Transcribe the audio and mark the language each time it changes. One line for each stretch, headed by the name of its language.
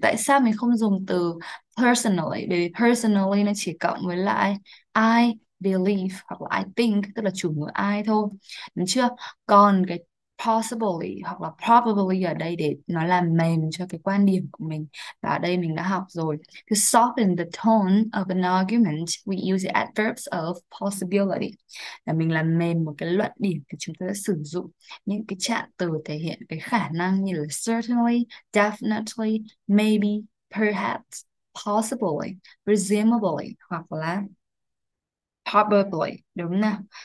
Vietnamese: Tại sao mình không dùng từ personally? Bởi vì personally nó chỉ cộng với lại
English: I believe
Vietnamese: hoặc là
English: I think,
Vietnamese: tức là chủ ngữ I thôi. Đúng chưa? Còn cái possibly hoặc là probably ở đây để nó làm mềm cho cái quan điểm của mình. Và ở đây mình đã học rồi.
English: To soften the tone of an argument, we use the adverbs of possibility.
Vietnamese: Là mình làm mềm một cái luận điểm thì chúng ta sẽ sử dụng những cái trạng từ thể hiện cái khả năng như là certainly, definitely, maybe, perhaps, possibly, presumably hoặc là probably. Đúng nào?